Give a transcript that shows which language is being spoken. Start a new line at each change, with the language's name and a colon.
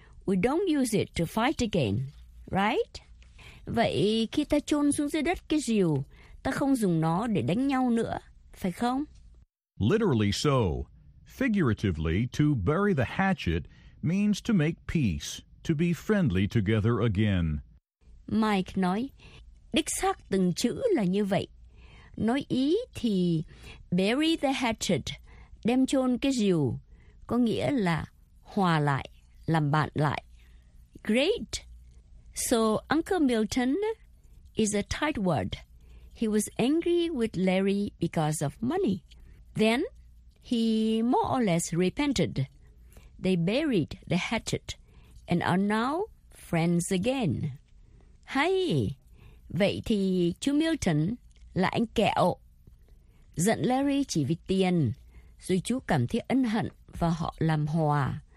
English: We don't use it to fight again, right?
Vietnamese: Vậy khi ta chôn xuống dưới đất cái rìu, ta không dùng nó để đánh nhau nữa, phải không?
English: Literally so. Figuratively, to bury the hatchet means to make peace, to be friendly together again.
Vietnamese: Mike nói, đích xác từng chữ là như vậy. Nói ý thì
English: bury the hatchet,
Vietnamese: đem chôn cái rìu, có nghĩa là hòa lại, làm bạn lại.
English: Great! So Uncle Milton is a tight word. He was angry with Larry because of money. Then he more or less repented. They buried the hatchet and are now friends again.
Vietnamese: Hay, vậy thì chú Milton là anh kẹo. Giận Larry chỉ vì tiền, rồi chú cảm thấy ân hận và họ làm hòa.